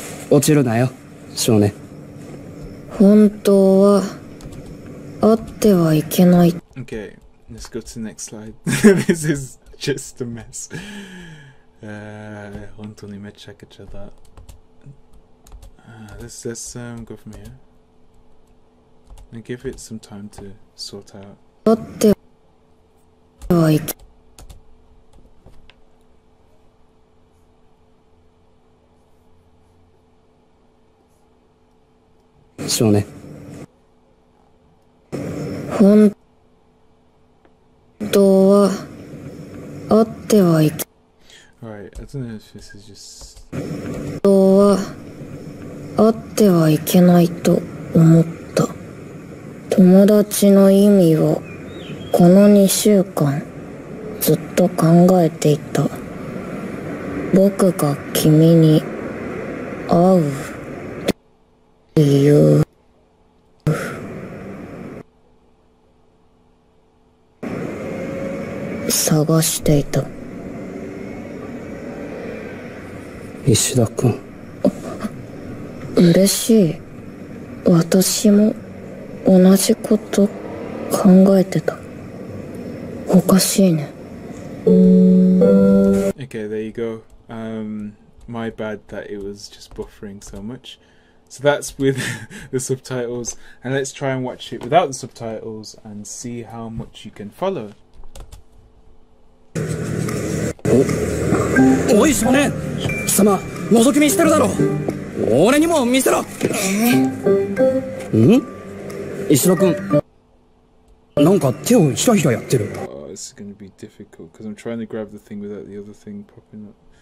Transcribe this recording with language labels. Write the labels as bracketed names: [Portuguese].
[Japanese] 落ちるなよ少年本当はあってはいけない [English] Okay, let's go to the next slide. This isJust a mess. [Japanese] 本当にめちゃくちゃだ。 [English] Let's go from here. And give it some time to sort out. [Japanese] だってはいけ。少年。本当は。あってはいけ。 [English] Right, I don't know if this is just... [Japanese] 本当はあってはいけないと思った。友達の意味をこの2週間ずっと考えていた。僕が君に会う理由。探していた。石田くん、嬉しい。私も同じこと考えてた。おかしいね。 [English] Okay, there you go. My bad that it was just buffering so much. So that's with the subtitles, and let's try and watch it without the subtitles and see how much you can follow. [Japanese] おい少年、貴様覗き見してるだろう。俺にも見せろ。ん？石野くん、なんか手をひらひらやってる。 [English] This is going to be difficult because I'm trying to grab the thing without the other thing popping up.